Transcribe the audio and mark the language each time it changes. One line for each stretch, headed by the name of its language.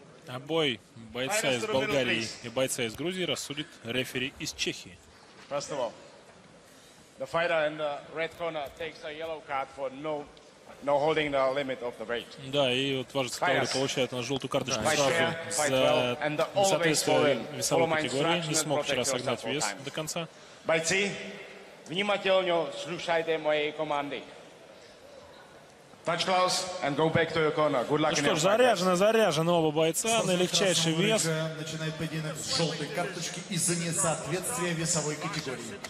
Russian: А бой бойца из Болгарии и бойца из Грузии рассудит рефери из Чехии.
English: First of all, the fighter in the red corner takes a yellow card for no holding the limit of the weight.
Russian: Да, и вот Важа Цептаури получает на желтую карточку сразу за несоответствие весовой категории. Не смог вчера согнать вес до конца. Бойцы, внимательно слушайте моей команды.
English: Touch gloves and go back to your corner. Good luck.
Russian: Ну что ж, заряжены оба бойца на легчайший вес. Начинает поединок с желтой карточки из-за несоответствия весовой категории.